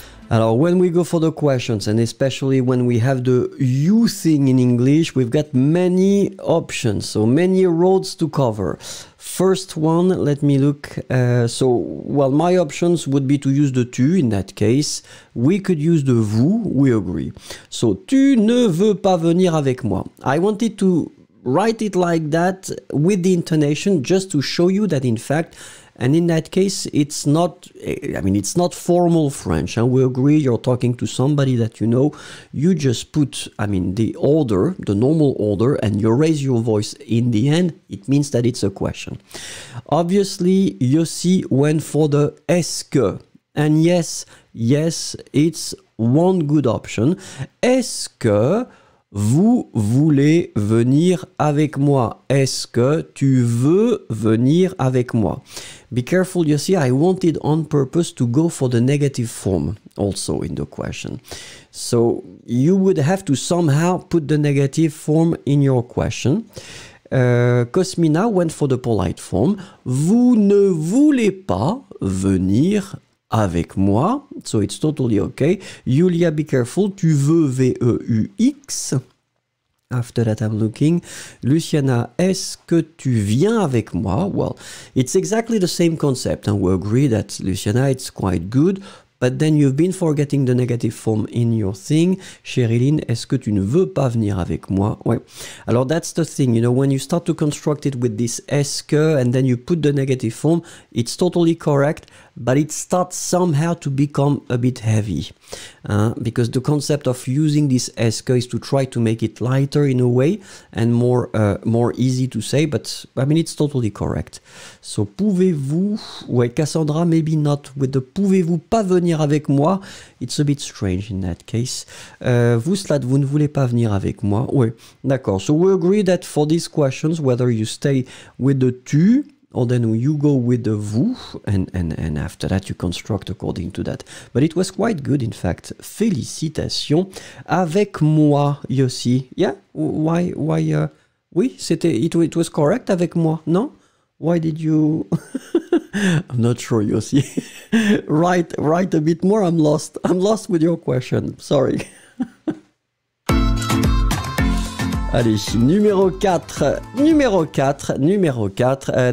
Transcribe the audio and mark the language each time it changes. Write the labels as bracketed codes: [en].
[fr] Alors, [en] when we go for the questions, and especially when we have the you thing in English, we've got many options, so many roads to cover. First one, let me look. So, my options would be to use the tu in that case. We could use the vous, we agree. [fr] So, tu ne veux pas venir avec moi. [en] I wanted to write it like that with the intonation just to show you that, in fact, and in that case, it's not formal French. And we agree you're talking to somebody that you know. You just put, I mean, the order, the normal order, and you raise your voice in the end. It means that it's a question. Obviously, Yossi went for the est-ce que. And yes, it's one good option. [fr] Est-ce que vous voulez venir avec moi? Est-ce que tu veux venir avec moi? [en] Be careful, you see, I wanted on purpose to go for the negative form also in the question. So you would have to somehow put the negative form in your question. Cosmina went for the polite form. [fr] Vous ne voulez pas venir avec moi? [en] So it's totally okay. Julia, be careful. [fr] Tu veux, V-E-U-X. [en] After that, I'm looking. [fr] Luciana, est-ce que tu viens avec moi? [en] Well, it's exactly the same concept. And we agree that, Luciana, it's quite good. But then you've been forgetting the negative form in your thing. [fr] Cheryline, est-ce que tu ne veux pas venir avec moi? Ouais. Alors, [en] that's the thing. You know, when you start to construct it with this est-ce que, and then you put the negative form, it's totally correct. But it starts somehow to become a bit heavy. Because the concept of using this est-ce que is to try to make it lighter in a way and more easy to say. But, I mean, it's totally correct. So, pouvez-vous... [fr] Ouais, [en] Cassandra, maybe not with the [fr] pouvez-vous pas venir avec moi. [en] It's a bit strange in that case. [fr] Vous, Slade, vous ne voulez pas venir avec moi. Ouais, d'accord. [en] So, we agree that for these questions, whether you stay with the tu... Or then you go with the vous, and after that you construct according to that. But it was quite good, in fact. [fr] Félicitations. Avec moi, [en] Yossi. Yeah? Why [fr] Oui, c'était [en] it was correct [fr] avec moi, non? [en] Why did you I'm not sure you see. Write a bit more, I'm lost. I'm lost with your question. Sorry. [fr] Allez, numéro 4. Numéro 4, numéro 4.